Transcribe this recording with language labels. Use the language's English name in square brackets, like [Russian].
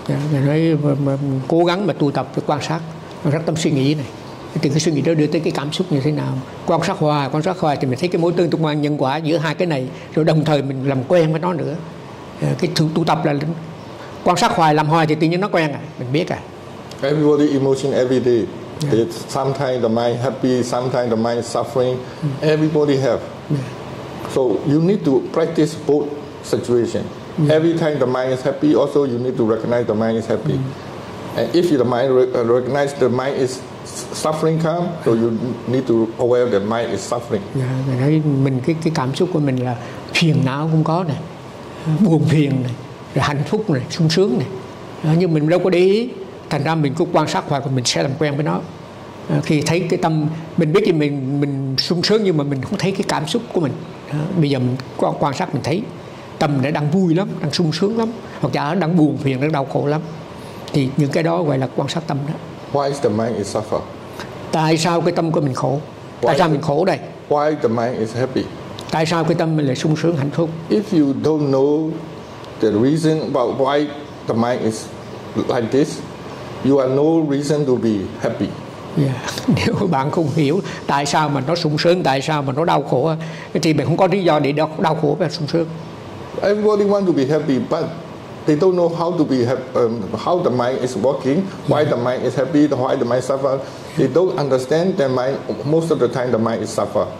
[Vietnamese] Yeah, nói cố gắng mà tu tập và quan sát, quan sát tâm suy nghĩ này. Từ cái suy nghĩ đó đưa tới cái cảm xúc như thế nào. Quan sát hoài thì mình thấy cái mối tương quan nhân quả giữa hai cái này. Rồi đồng thời mình làm quen với nó nữa. Cái tu tập là quan sát hoài, làm hoài thì tự nhiên nó quen rồi, mình biết rồi. [English] Everybody emotion every day. Yeah. It's sometimes the mind happy, sometimes the mind suffering. Mm. Everybody have. Yeah. So you need to practice both situation. Yeah. Every time the mind is happy, also you need to recognize the mind is happy. Mm. And if the mind recognize the mind is suffering come, so you need to aware the mind is suffering. [Vietnamese] Yeah, thấy mình cái cảm xúc của mình là phiền não cũng có này, buồn phiền này, rồi hạnh phúc này, sung sướng này. Đó, nhưng mình đâu có để ý. Thành ra mình cứ quan sát hoài và mình sẽ làm quen với nó. Khi thấy cái tâm, mình biết thì mình sung sướng nhưng mà mình không thấy cái cảm xúc của mình. Bây giờ mình quan sát mình thấy tâm nó đang vui lắm, đang sung sướng lắm. Hoặc là đang buồn phiền, đang đau khổ lắm. Thì những cái đó gọi là quan sát tâm đó. [English] Why is the mind is suffer? [Vietnamese] Tại sao cái tâm của mình khổ? Tại sao mình khổ đây? [English] Why the mind is happy? [Vietnamese] Tại sao cái tâm mình lại sung sướng, hạnh phúc? [English] If you don't know the reason about why the mind is like this, you are no reason to be happy. Yeah. [Vietnamese] Nếu bạn không hiểu tại sao mà nó sung sướng, tại sao mà nó đau khổ, thì bạn không có lý do để đau khổ và sung sướng. [English] Everybody want to be happy, but they don't know how to be how the mind is working, why the mind is happy, why the mind suffer. They don't understand that mind. Most of the time, the mind is suffer.